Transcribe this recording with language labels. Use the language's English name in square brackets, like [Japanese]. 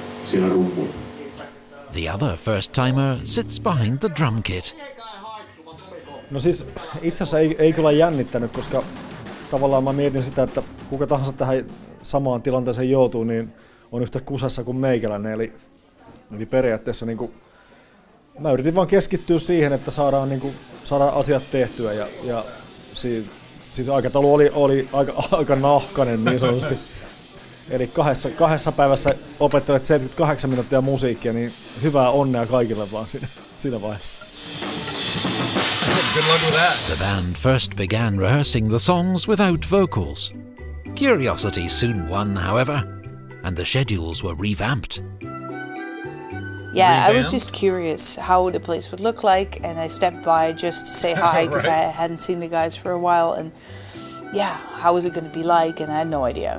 [English] The other first timer sits behind the drum kit. [Finnish] No siis itse asiassa ei kyllä jännittänyt, koska tavallaan mä mietin sitä, että kuka tahansa tähän samaan tilanteeseen joutuu, niin on yhtä kusassa kuin meikäläinen, eli periaatteessa niin kuin, mä yritin vaan keskittyä siihen, että saadaan, niin kuin, saadaan asiat tehtyä, ja siis aikataulu oli aika nahkainen niin sanotusti. Eli kahdessa päivässä opettelet 78 minuuttia musiikkia, niin hyvää onnea kaikille vaan siinä vaiheessa. [English] Good luck with that. The band first began rehearsing the songs without vocals. Curiosity soon won, however, and the schedules were revamped. Yeah, revamped? I was just curious how the place would look like, and I stepped by just to say hi, because right. I hadn't seen the guys for a while, and yeah, how was it going to be like, and I had no idea.